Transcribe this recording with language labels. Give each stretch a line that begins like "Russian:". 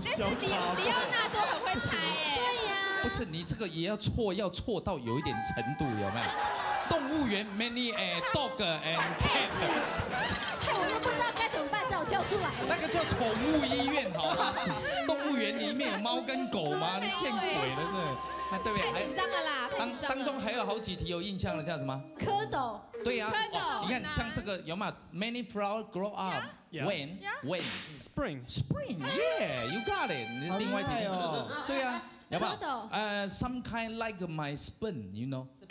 Chinese: 但是李奥纳多很会猜耶。对呀。不是你这个也要错，要错到有一点程度，有没有？
English: 动物园 many a dog and cat，
Chinese: 害我都不知道该怎么办，叫我叫出来。那个叫宠物医院，好了，动物园里面有猫跟狗吗？见鬼了，真的，对不对？太紧张了啦，当中还有好几题有印象的，叫什么？蝌蚪。对呀，蝌蚪。你看像这个有吗
English: ？Many flower grow up when spring yeah you got it，
Chinese: 另外一题对呀。有没有？
English: Some kind like my sperm, you know.